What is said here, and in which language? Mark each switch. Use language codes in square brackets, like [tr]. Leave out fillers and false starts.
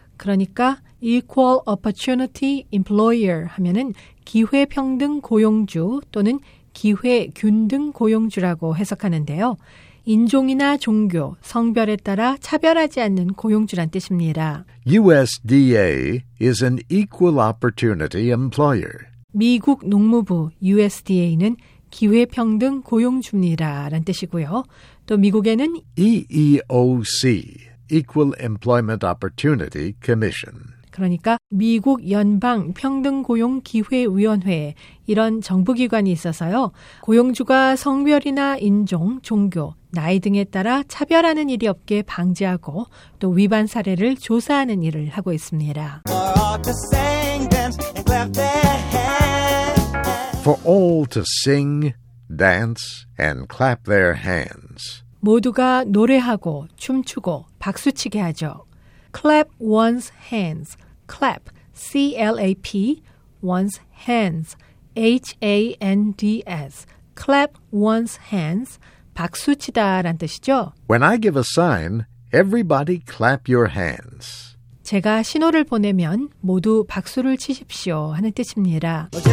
[ko] 그러니까 [en] Equal Opportunity Employer [ko] 하면은 기회평등 고용주 또는 기회균등 고용주라고 해석하는데요. 인종이나 종교, 성별에 따라 차별하지 않는 고용주란 뜻입니다. [en] USDA is an Equal Opportunity Employer. [ko] 미국 농무부 USDA는 기회평등 고용주입니다. 라는 뜻이고요. 또 미국에는 [en] EEOC, Equal Employment Opportunity Commission. [ko] 그러니까 미국 연방 평등 고용 기회 위원회 이런 정부 기관이 있어서요. 고용주가 성별이나 인종, 종교, 나이 등에 따라 차별하는 일이 없게 방지하고 또 위반 사례를 조사하는 일을 하고 있습니다. [en] For all to sing, dance and clap their hands. For all to sing, dance and clap their hands. [ko] 모두가 노래하고 춤추고 박수치게 하죠. [en] Clap one's hands. Clap, C-L-A-P, one's hands, H-A-N-D-S. Clap one's hands, [ko] 박수치다 란 뜻이죠. [en] When I give a sign, everybody clap your hands. [ko] 제가 신호를 보내면 모두 박수를 치십시오 하는 뜻입니다.